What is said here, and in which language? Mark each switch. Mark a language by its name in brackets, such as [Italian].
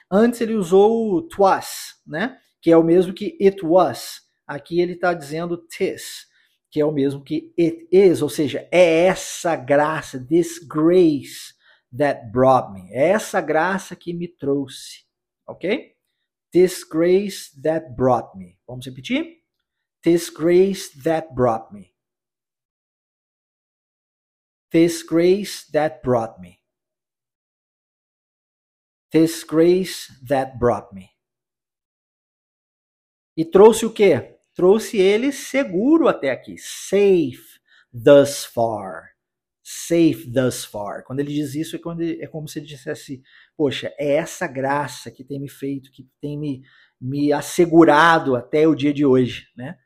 [Portuguese] Antes ele usou o twas, né? Que é o mesmo que it was. Aqui ele está dizendo this, que é o mesmo que it is, ou seja, é essa graça, [English] this grace that brought me, [Portuguese] é essa graça que me trouxe, ok? [English] This grace that brought me. [Portuguese] Vamos repetir? [English] This grace that brought me. This grace that brought me. This grace that brought me. [Portuguese] E trouxe o quê? Trouxe ele seguro até aqui. [English] Safe thus far. Safe thus far. [Portuguese] Quando ele diz isso, é como se ele dissesse: Poxa, é essa graça que tem me feito, que tem me assegurado até o dia de hoje, né?